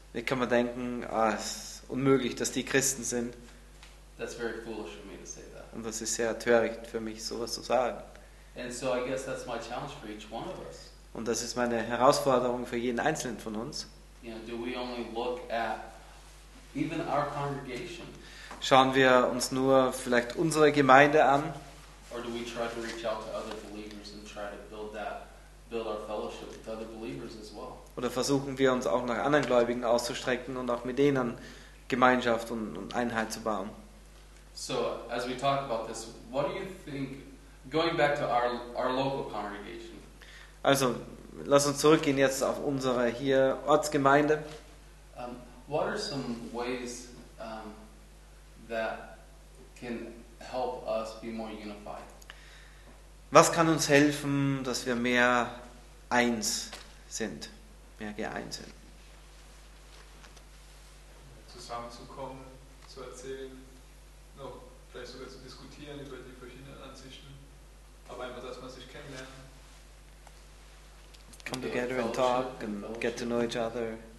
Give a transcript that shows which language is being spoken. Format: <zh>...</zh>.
<de>Ich kann mir denken, ah, es ist unmöglich, dass die Christen sind.</de> <en>That's very foolish for me to say that.</en> <de>Und das ist sehr töricht für mich, sowas zu sagen.</de> <en>And so I guess that's my challenge for each one of us.</en> <de>Und das ist meine Herausforderung für jeden Einzelnen von uns.</de> <en>You know, do we only look at even our congregation?</en> <de>Schauen wir uns nur vielleicht unsere Gemeinde an?</de> <en>Or do we try to reach out to other believers and try to build our fellowship with other believers as well?</en> <de>Oder versuchen wir uns auch nach anderen Gläubigen auszustrecken und auch mit denen Gemeinschaft und Einheit zu bauen?</de> <en>So, as we talk about this, what do you think, going back to our local congregation?</en> <de>Also, lass uns zurückgehen jetzt auf unsere hier Ortsgemeinde.</de> <en>What are some ways that can help us be more unified?</en> <de>Was kann uns helfen, dass wir mehr eins sind, mehr geeint sind? Zusammenzukommen, zu erzählen, noch vielleicht sogar zu diskutieren über die verschiedenen Ansichten, aber einfach, dass man sich kennenlernt.</de> <en>Come together and talk and get to know each other.</en>